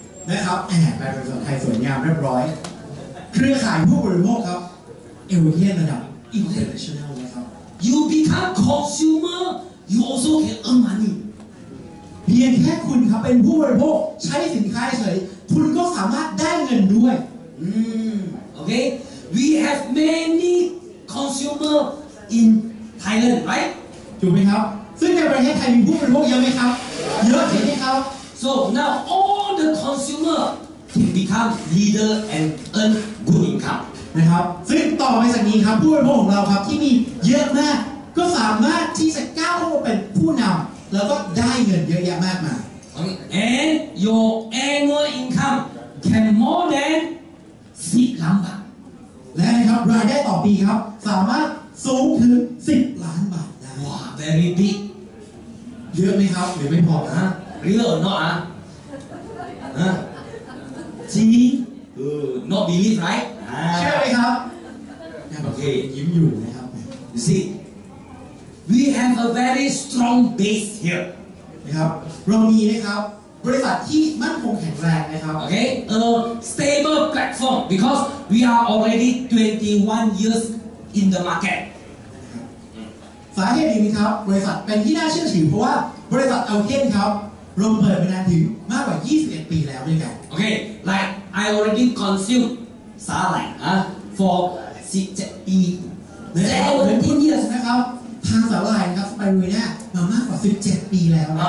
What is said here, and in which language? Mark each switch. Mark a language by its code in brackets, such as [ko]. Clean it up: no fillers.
[th] นะครับแอบแปลเป็นภาษาไทยสวยงามเรียบร้อยเครือข่ายผู้บริโภคครับ Elkin ระดับ International นะครับ [en] You become consumer, you also can earn money. [th] เพียงแค่คุณครับเป็นผู้บริโภคใช้สินค้าเฉยคุณก็สามารถได้เงินด้วย [en] โอเค we have many consumer in Thailand right [th] ถูกไหมครับซึ่งในประเทศไทยมีผู้บริโภคเยอะไหมครับเยอะใช่ไหมครับ [en] so now all the consumer can become leader and earn good income [th] นะครับซึ่งต่อไปจากนี้ครับผู้บริโภคของเราครับที่มีเยอะมากก็สามารถที่จะก้าวเป็นผู้นำแล้วก็ได้เงินเยอะแยะมากมาย [en] and your annual income can more than 10 [th] ล้านบาท และครับรายได้ต่อปีครับสามารถสูงถึง10ล้านบาทได้ [en] wow very big [th] เยอะไหมครับหรือไม่พอฮะ เรื่องเนาะฮะจริง [en] not believe right [th] เชื่อไหมครับ โอเค ยิ้มอยู่นะครับ [en] see we have a very strong base here [th] นะครับเรามีนะครับบริษัทที่มั่นคงแข็งแรงนะครับ [en] โอเค stable platform because we are already 21 years in the market [th] สาเหตุหนึ่งครับบริษัทเป็นที่น่าเชื่อถือเพราะว่าบริษัทเอาเทนครับเราเปิดมานานถึงมากกว่า21ปีแล้วด้วยกัน [en] โอเค like I already consume สาหร่ายfor 17ปี [th] แล้วเป็นที่นี่นะครับทานสาหร่ายครับสไปรูเนี่ยมามากกว่า17ปีแล้ว